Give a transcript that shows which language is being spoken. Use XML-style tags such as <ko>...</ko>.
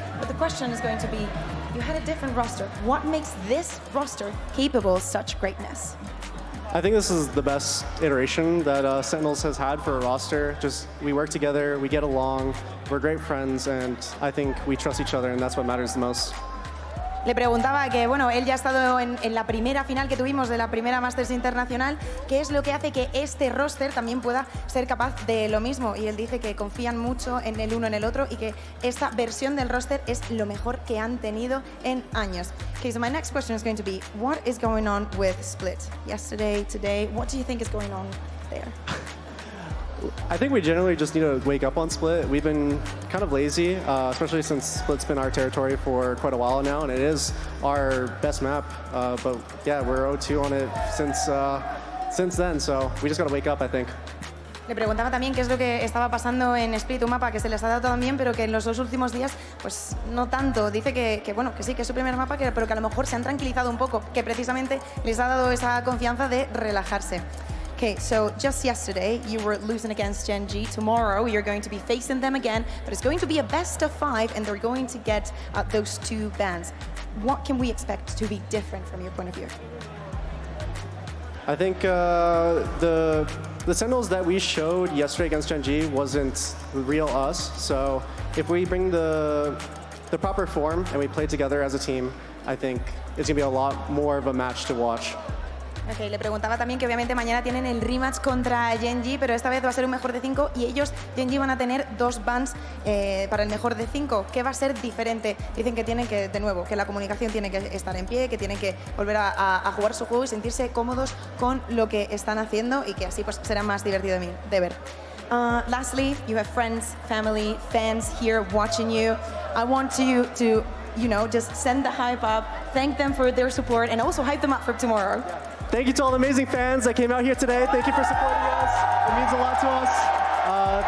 <en>But the question is going to be, you had a different roster. What makes this roster capable of such greatness? I think this is the best iteration that Sentinels has had for a roster. Just, we work together, we get along, we're great friends, and I think we trust each other, and that's what matters the most.</en> <es>Le preguntaba que, bueno, él ya ha estado en la primera final que tuvimos de la primera Masters Internacional. ¿Qué es lo que hace que este roster también pueda ser capaz de lo mismo? Y él dice que confían mucho en el uno en el otro y que esta versión del roster es lo mejor que han tenido en años.</es> <en>Okay, so my next question is going to be, what is going on with Split? Yesterday, today, what do you think is going on there? I think we generally just need to wake up on Split. We've been kind of lazy, especially since Split's been our territory for quite a while now, and it is our best map. But yeah, we're 0-2 on it since then, so we just gotta wake up, I think.</en> <es>Le preguntaba también qué es lo que estaba pasando en Split, un mapa que se les ha dado todo bien, pero que en los dos últimos días, pues no tanto. Dice que bueno, que sí, que es su primer mapa, pero que a lo mejor se han tranquilizado un poco, que precisamente les ha dado esa confianza de relajarse.</es> <en>Okay, so just yesterday you were losing against Gen G. Tomorrow you're going to be facing them again, but it's going to be a best of five and they're going to get those two bans. What can we expect to be different from your point of view? I think the Sentinels that we showed yesterday against Gen G wasn't real us. So if we bring the proper form and we play together as a team, I think it's going to be a lot more of a match to watch.</en> <es>Okay, le preguntaba también que obviamente mañana tienen el rematch contra Genji, pero esta vez va a ser un mejor de cinco y ellos, Genji, van a tener dos bans para el mejor de cinco. ¿Qué va a ser diferente? Dicen que tienen que, de nuevo, que la comunicación tiene que estar en pie, que tienen que volver a jugar su juego y sentirse cómodos con lo que están haciendo y que así pues será más divertido de ver.</es> <en>Lastly, you have friends, family, fans here watching you. I want you to, you know, just send the hype up, thank them for their support and also hype them up for tomorrow. Thank you to all the amazing fans that came out here today. Thank you for supporting us. It means a lot to us.</en>